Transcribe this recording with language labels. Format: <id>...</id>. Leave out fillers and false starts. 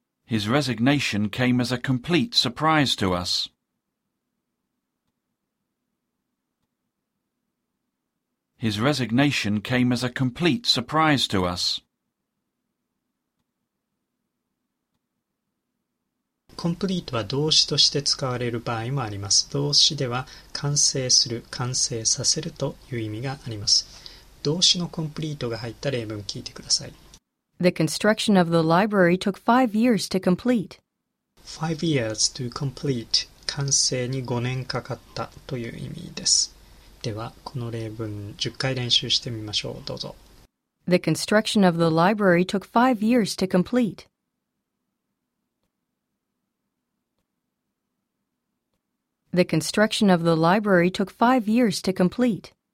<en>His resignation came as a complete surprise to us. His resignation came as a complete surprise to us.</en> <ja>Complete は動詞として使われる場合もあります。動詞では完成する、完成させるという意味があります。動詞のコンプリートが入った例文を聞いてください。</ja> <en>The construction of the library took 5 years to complete. 5 years to complete.</en> <ja>完成に5年かかったという意味です。では、この例文10回練習してみましょう。どうぞ。</ja> <en>The construction of the library took 5 years to complete. The construction of the library took 5 years to complete.</en>